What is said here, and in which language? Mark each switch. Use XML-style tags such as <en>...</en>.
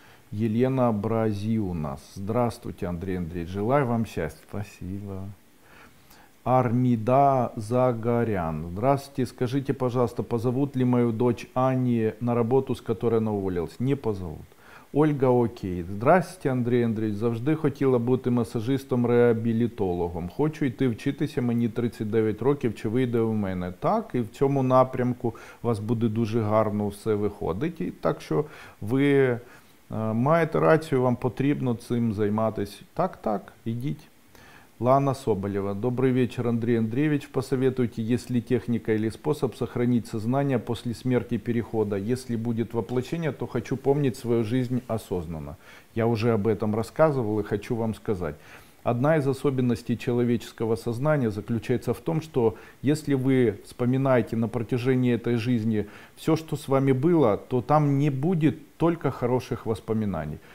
<ru>Елена Бразиунас. Здравствуйте, Андрей Андреевич. Желаю вам счастья. Спасибо. Армида Загорян. Здравствуйте. Скажите, пожалуйста, позовут ли мою дочь Ани на работу, с которой она уволилась? Не позовут. Ольга Окей. Здравствуйте, Андрей Андреевич.</ru> <uk>Завжди хотіла бути масажистом-реабілітологом. Хочу йти вчитися, мені 39 років, чи вийде у мене? Так, і в цьому напрямку у вас буде дуже гарно все виходить. І так що ви маєте рацію, вам потрібно цим займатися. Так, так, йдіть. Лана Соболева.</uk> <ru>Добрый вечер, Андрей Андреевич. Посоветуйте, есть ли техника или способ сохранить сознание после смерти перехода. Если будет воплощение, то хочу помнить свою жизнь осознанно. Я уже об этом рассказывал и хочу вам сказать. Одна из особенностей человеческого сознания заключается в том, что если вы вспоминаете на протяжении этой жизни все, что с вами было, то там не будет только хороших воспоминаний.</ru>